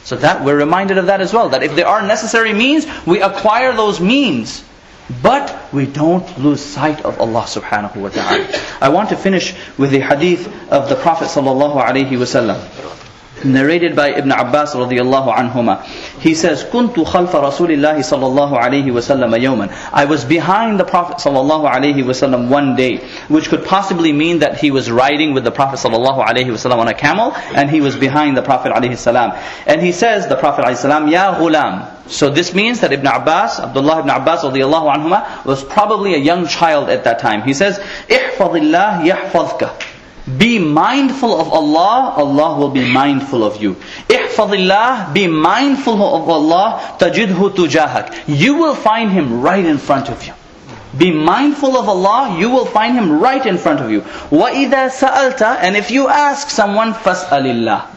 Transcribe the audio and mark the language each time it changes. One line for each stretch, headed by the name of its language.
English: So that we're reminded of that as well. That if there are necessary means, we acquire those means. But we don't lose sight of Allah subhanahu wa ta'ala. I want to finish with the hadith of the Prophet sallallahu alayhi wasallam, narrated by Ibn Abbas radiallahu anhuma. He says,
Arabic: كُنْتُ خَلْفَ رَسُولِ اللَّهِ صَلَى اللَّهُ عَلَيْهِ وَسَلَّمَ يَوْمًا.
English: I was behind the Prophet sallallahu alayhi wasallam one day, which could possibly mean that he was riding with the Prophet sallallahu alayhi wasallam on a camel, and he was behind the Prophet alayhi salam. And he says, the Prophet alayhi salam,
Arabic: يَا غُلَام.
English: So this means that Ibn Abbas, Abdullah ibn Abbas radiallahu anhuma, was probably a young child at that time.
Arabic: He says, اِحْفَظِ اللَّهِ يَحْفَظْكَ.
English: Be mindful of Allah, Allah will be mindful of you.
Arabic: Ihfadillah,
English: be mindful of Allah,
Arabic: tajidhu tujahak.
English: You will find Him right in front of you. Be mindful of Allah, you will find Him right in front of you.
Arabic: Wa idha sa'alta,
English: and if you ask someone,
Arabic: fas'alillah.